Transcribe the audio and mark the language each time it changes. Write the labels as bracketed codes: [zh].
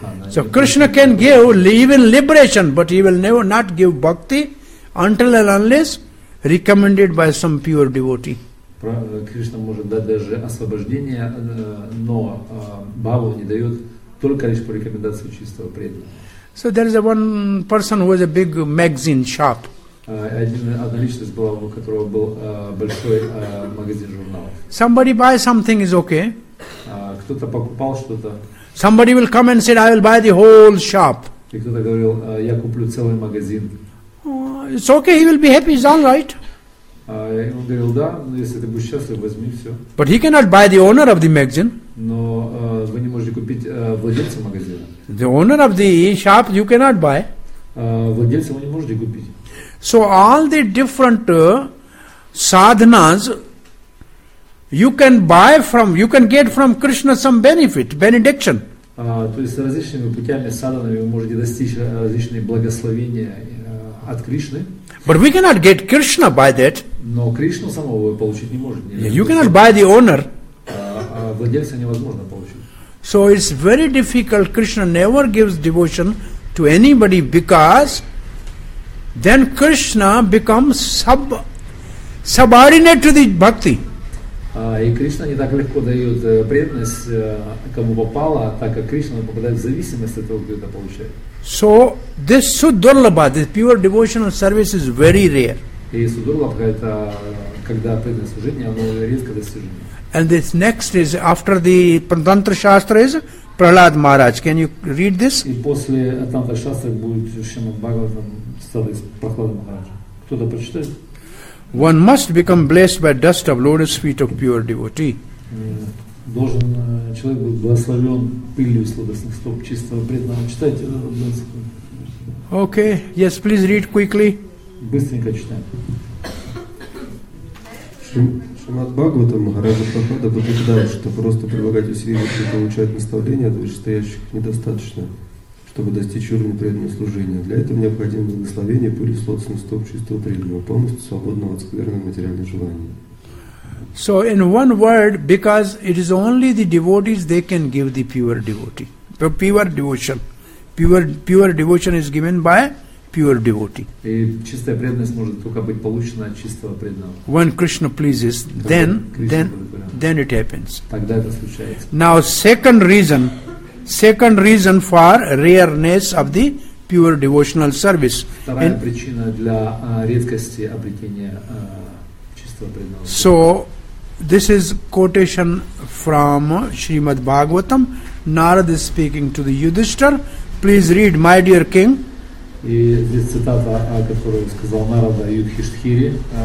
[en] So Krishna can give even liberation, but he will never not give bhakti until and unless recommended by some pure devotee. [ru] Кришна может дать даже освобождение, но Бхаву не дает только лишь по рекомендации чистого преданного. [en] So there is a one person who has a big magazine shop. [ru] Одна личность была, у которого был большой магазин журналов. [en] Somebody buys something is okay. [ru] Кто-то покупал что-то. [en] Somebody will come and say, I will buy the whole shop. [ru] И кто-то говорил, я куплю целый магазин. [en] It's okay, he will be happy, it's all right. [ru] Он говорил, да, но если ты будешь счастлив, возьми все. [en] But he cannot buy the owner of the magazine. [ru] Но вы не можете купить владельца магазина. [en] The owner of the shop you cannot buy. [ru] Владельца вы не можете купить. [en] So all the different sadhanas you can buy from, you can get from Krishna some benefit, benediction. [ru] То есть различными путями садханами вы можете достичь различные благословения от Кришны. [en] But we cannot get Krishna by that. [ru] Но Кришну самого вы получить не можете. [en] You cannot buy the owner. [ru] Владельца невозможно получить. [en] So it's very difficult. Krishna never gives devotion to anybody because then Krishna becomes subordinate to the bhakti. [ru] И Кришна не так легко дает преданность кому попало, так как Кришна попадает в зависимость от того, кто это получает. [en] So this sudurlabha, this pure devotional service is very rare. [ru] И sudurlabha это когда преданное служение, оно редко достижимо. [en] And this next is after the Pratantra Shastra is Prahlad Maharaj. Can you read this? [ru] И после Tantra Shastra будет Шримад Бхагаватам стать Прахлада Махараджа. Кто-то прочитает? [en] One must become blessed by dust of lotus feet of pure devotee. [ru] Должен человек быть благословлен пылью с лотосных стоп чистого преданного. Читайте. [en] Okay. Yes, please read quickly. [ru] Быстренько читаем. Шримад Бхагаватам Махараджа Прахлада подтверждает, что просто прилагать усилия и получать наставления от вышестоящих недостаточно, чтобы достичь уровня преданного служения. Для этого необходимо благословение пыли с лотосных стоп чистого преданного, полностью свободного от скверных материальных желаний. [en] So in one word, because it is only the devotees, they can give the pure devotee, pure devotion. Pure devotion is given by pure devotee. [ru] И чистая преданность может только быть получена от чистого преданного. [en] When Krishna pleases, then it happens. [ru] Тогда это случается. [en] Now second reason for rareness of the pure devotional service. [ru] Вторая причина для редкости обретения чистого преданного. [en] So this is quotation from Srimad Bhagavatam. Narada is speaking to the Yudhishthir. Please read, my dear king. [ru] И здесь цитата, которую сказал Нарада Юдхиштхире.